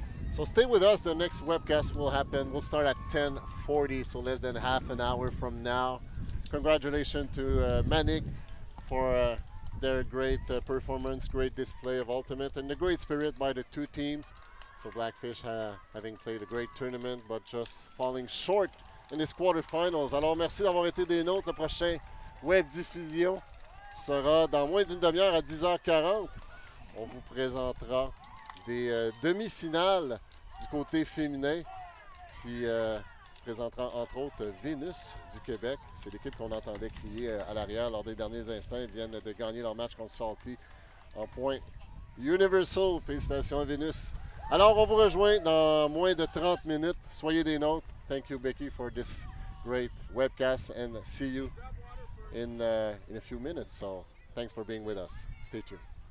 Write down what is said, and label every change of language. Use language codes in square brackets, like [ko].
[en] So stay with us. The next webcast will happen. We'll start at 10:40, so less than half an hour from now. Congratulations to Manic for their great performance, great display of ultimate, and the great spirit by the two teams. So Blackfish having played a great tournament, but just falling short in this quarterfinals. [fr] Alors merci d'avoir été des nôtres. Le prochain web diffusion sera dans moins d'une demi-heure à 10h40. On vous présentera des demi-finales du côté féminin qui présentera entre autres Vénus du Québec. C'est l'équipe qu'on entendait crier à l'arrière lors des derniers instants. Ils viennent de gagner leur match contre Salty en point Universal. Félicitations à Vénus. Alors, on vous rejoint dans moins de 30 minutes. Soyez des nôtres. [en] Thank you, Becky, for this great webcast and see you in a few minutes. So, thanks for being with us. Stay tuned.